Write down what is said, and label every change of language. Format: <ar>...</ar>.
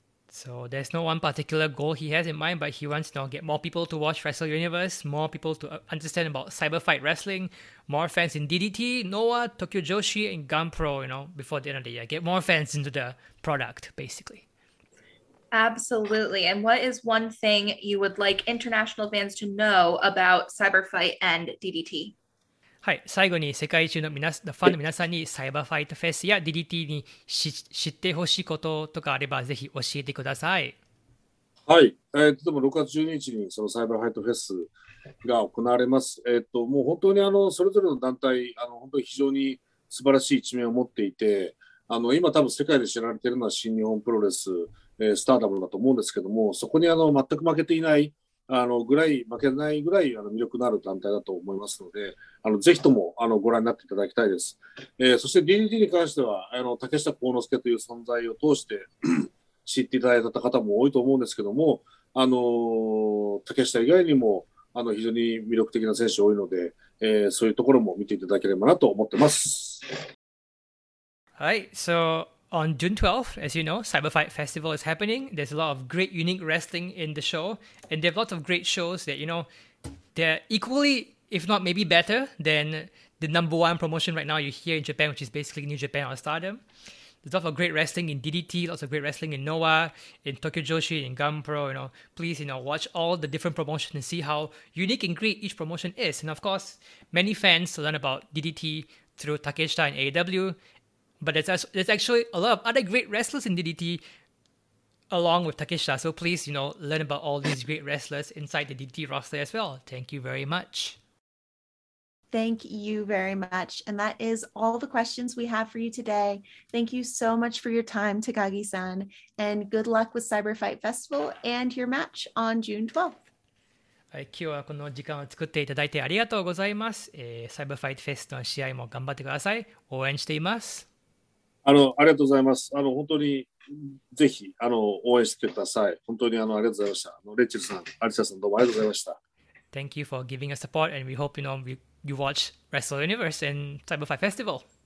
<en>So there's no one particular goal he has in mind, but he wants to get more people to watch Wrestle Universe, more people to understand about cyber fight wrestling, more fans in DDT, NOAH, Tokyo Joshi, and Gunpro, you know, before the end of the year. Get more fans into the product, basically. Absolutely. And what is one thing you would like international fans to know about cyber fight and DDT?</en> <ja>はい、最後に世界中のファンの皆さんにサイバーファイトフェスや DDT に知ってほしいこととかあればぜひ教えてください。はい、でも6月12日にそのサイバーファイトフェスが行われます。もう本当にそれぞれの団体本当に非常に素晴らしい一面を持っていて、今多分世界で知られているのは新日本プロレス、スターダムだと思うんですけども、そこに全く負けていないぐらい、負けないぐらい魅力のある団体だと思いますので、ぜひともご覧になっていただきたいです。そして DDT に関しては竹下幸之助という存在を通して知っていただいた方も多いと思うんですけども、竹下以外にも非常に魅力的な選手多いので、そういうところも見ていただければなと思ってます。はい、そう</ja> <en>On June 12th, as you know, Cyberfight Festival is happening. There's a lot of great, unique wrestling in the show. And they have lots of great shows that, you know, they're equally, if not maybe better, than the number one promotion right now you hear in Japan, which is basically New Japan or Stardom. There's lots of great wrestling in DDT, lots of great wrestling in NOAH, in Tokyo Joshi, in Gunpro. You know, please, watch all the different promotions and see how unique and great each promotion is. And of course, many fans learn about DDT through Takeshita and AEW. But there's actually a lot of other great wrestlers in DDT along with Takeshita. So please, learn about all these great wrestlers inside the DDT roster as well. Thank you very much. Thank you very much. And that is all the questions we have for you today. Thank you so much for your time, Takagi-san. And good luck with Cyber Fight Festival and your match on June 12th.</en> <ja>はい、今日はこの時間を作っていただいてありがとうございます。サイバーファイトフェストの試合も頑張ってください。応援しています。ありがとうございます。本当にぜひ応援してください。本当にありがとうございました。レッチェルさん、アリサさん、どうもありがとうございました。</ja> <en>Thank you for giving us support and we hope you know you watch Wrestle Universe and Cyber Fight Festival.</en>